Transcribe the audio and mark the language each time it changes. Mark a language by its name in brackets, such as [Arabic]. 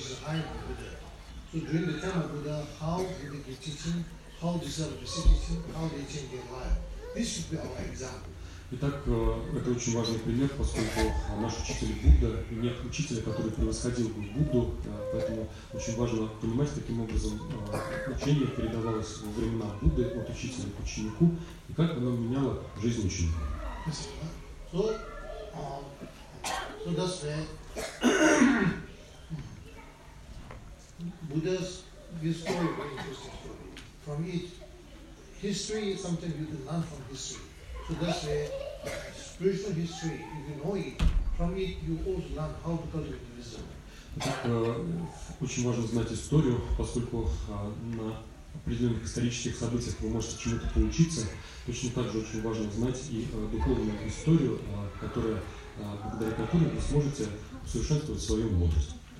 [English] So during the time of Buddha, how do they get teaching, how they serve the citizen, how they change their life. This should be our example. [Russian] Итак, это очень важный пример, поскольку наш учитель Будда, не учитель, который превосходил Будду, поэтому очень важно понимать, каким образом учение передавалось во времена Будды от учителя к ученику, и как оно меняло жизнь ученика. [English] So that's where Buddha's story is very interesting story. From it, history is something you can learn from history. So that's a spiritual history. If you know it, from it you also learn how to cultivate wisdom. [Russian] Так, очень важно знать историю, поскольку на определенных исторических событиях вы можете чему-то поучиться. Точно так же очень важно знать и духовную историю, которая, благодаря которой вы сможете усовершенствовать свою мудрость.